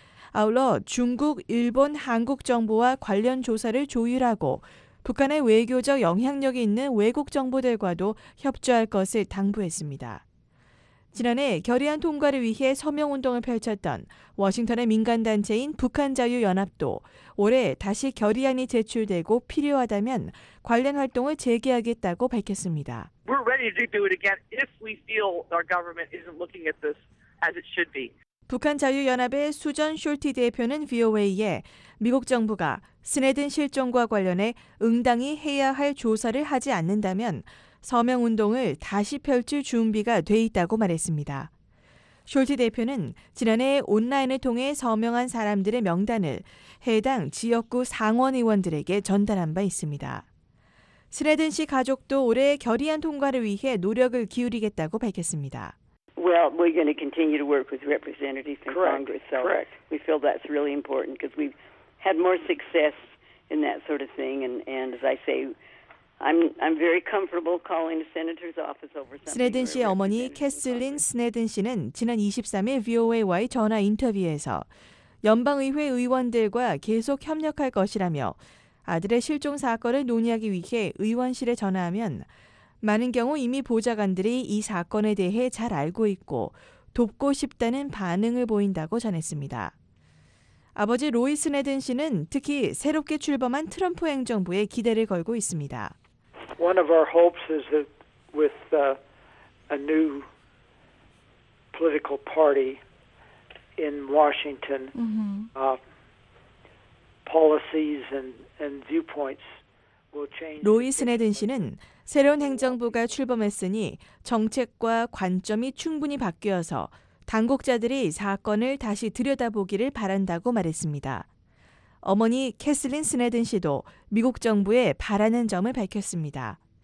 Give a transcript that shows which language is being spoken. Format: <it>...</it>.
<ko>아울러 중국, 일본, 한국 정부와 관련 조사를 조율하고 북한의 외교적 영향력이 있는 외국 정부들과도 협조할 것을 당부했습니다. 지난해 결의안 통과를 위해 서명운동을 펼쳤던 워싱턴의 민간단체인 북한자유연합도 올해 다시 결의안이 제출되고 필요하다면 관련 활동을 재개하겠다고 밝혔습니다.</ko> <en>We're ready to do it again if we feel our government isn't looking at this as it should be.</en> <ko>북한자유연합의 수전 숄티 대표는 VOA에 미국 정부가 스네든 실종과 관련해 응당이 해야 할 조사를 하지 않는다면 서명운동을 다시 펼칠 준비가 돼 있다고 말했습니다. 숄티 대표는 지난해 온라인을 통해 서명한 사람들의 명단을 해당 지역구 상원의원들에게 전달한 바 있습니다. 스네든 씨 가족도 올해 결의안 통과를 위해 노력을 기울이겠다고 밝혔습니다.</ko> <en>Well, we're going to continue to work with representatives in Congress. So correct. We feel that's really important because we've had more success in that sort of thing. And as I say, I'm very comfortable calling the senator's office over something.</en> <ko>스네든 씨의 어머니 캐슬린 스네든 씨는 지난 23일 VOA와의 전화 인터뷰에서 연방의회 의원들과 계속 협력할 것이라며 아들의 실종 사건을 논의하기 위해 의원실에 전화하면 많은 경우 이미 보좌관들이 이 사건에 대해 잘 알고 있고 돕고 싶다는 반응을 보인다고 전했습니다. 아버지 로이 스네든 씨는 특히 새롭게 출범한 트럼프 행정부에 기대를 걸고 있습니다.</ko> <en>One of our hopes is that with a new political party in Washington, policies and viewpoints will change.</en> <ko>로이 스네든 씨는 새로운 행정부가 출범했으니 정책과 관점이 충분히 바뀌어서 당국자들이 사건을 다시 들여다보기를 바란다고 말했습니다. 어머니 캐슬린 스네든 씨도 미국 정부에 바라는 점을 밝혔습니다.</ko>